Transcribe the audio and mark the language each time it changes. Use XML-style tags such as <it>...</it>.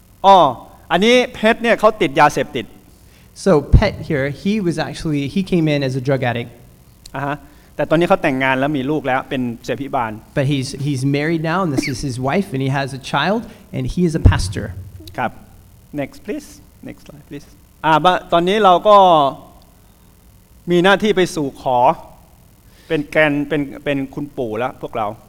<en>Oh, and</en> <th>Pet เนี่ยเขาติดยาเสพติด.</th> <en>So Pet here, he came in as a drug addict.</en> <th>แต่ตอนนี้เขาแต่งงานแล้วมีลูกแล้วเป็นเสพิบาล.</th> <en>But he's married now, and this is his wife, and he has a child, and he is a pastor. ครับ. Next please. Next slide please.</en> <th>But ตอนนี้เราก็มีหน้าที่ไปสู่ขอเป็นแกนเป็นคุณปู่แล้วพวกเรา.</th>